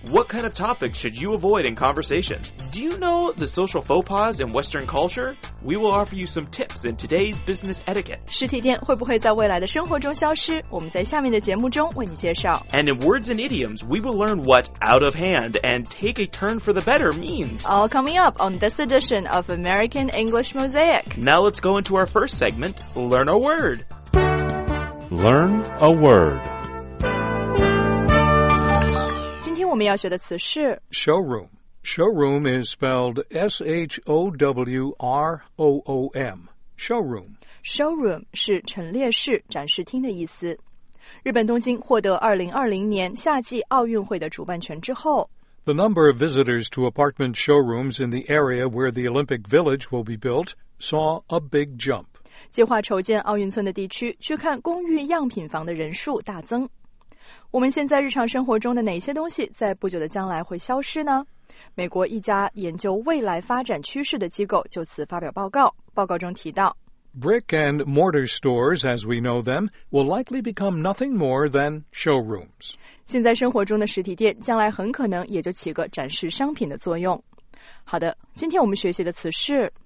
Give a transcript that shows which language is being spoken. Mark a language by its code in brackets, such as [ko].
[en] What kind of topics should you avoid in conversation? Do you know the social faux pas in Western culture? We will offer you some tips in today's business etiquette. [zh] 实体店会不会在未来的生活中消失？我们在下面的节目中为你介绍。 [en] And in words and idioms, we will learn what out of hand and take a turn for the better means. All coming up on this edition of American English Mosaic. Now let's go into our first segment, Learn a Word. Learn a word. [zh] 今天我们要学的词是 [en] showroom. Showroom is spelled S-H-O-W-R-O-O-M. Showroom. [zh] Showroom 是陈列室、展示厅的意思。日本东京获得2020年夏季奥运会的主办权之后 [en] The number of visitors to apartment showrooms in the area where the Olympic Village will be built saw a big jump. [zh] 计划筹建奥运村的地区去看公寓样品房的人数大增。我们现在日常生活中的哪些东西在不久的将来会消失呢？美国一家研究未来发展趋势的机构就此发表报告。报告中提到 [en] Brick and mortar stores, as we know them, will likely become nothing more than showrooms. [zh] 现在生活中的实体店将来很可能也就起个展示商品的作用。好的，今天我们学习的词是